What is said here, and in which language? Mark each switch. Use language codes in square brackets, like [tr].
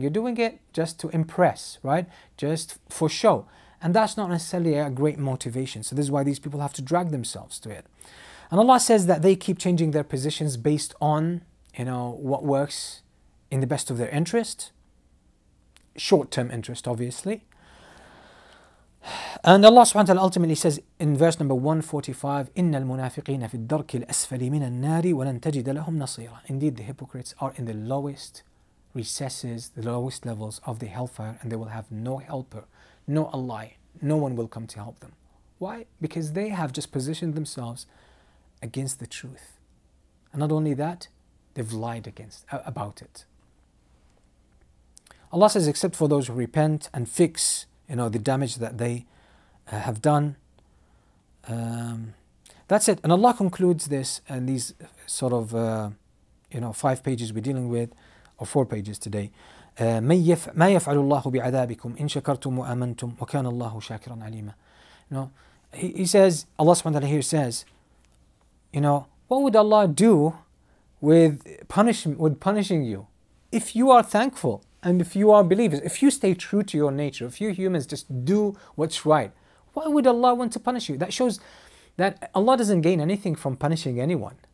[en] You're doing it just to impress, right? Just for show. And that's not necessarily a great motivation. So this is why these people have to drag themselves to it. And Allah says that they keep changing their positions based on, you know, what works in the best of their interest. Short-term interest, obviously. And Allah subhanahu wa ta'ala ultimately says in verse number 145, [ar] إِنَّ الْمُنَافِقِينَ فِي الدَّرْكِ الْأَسْفَلِ مِنَ النَّارِ وَلَنْ تَجِدَ لَهُمْ نَصِيرًا. [en] Indeed, the hypocrites are in the lowest recesses, the lowest levels of the hellfire, and they will have no helper, no ally, no one will come to help them. Why? Because they have just positioned themselves against the truth. And not only that, they've lied about it. Allah says, except for those who repent and fix, you know, the damage that they have done. That's it. And Allah concludes this and these sort of, you know, five pages we're dealing with, or four pages today, [ar] ما يفعل الله بعذابكم إن شكرتم وآمنتم وكان الله شاكرا عليما. [en] No, he says, Allah subhanahu wa ta'ala here says, you know, what would Allah do with punishing you if you are thankful and if you are believers, if you stay true to your nature, if you humans just do what's right? Why would Allah want to punish you? That shows that Allah doesn't gain anything from punishing anyone.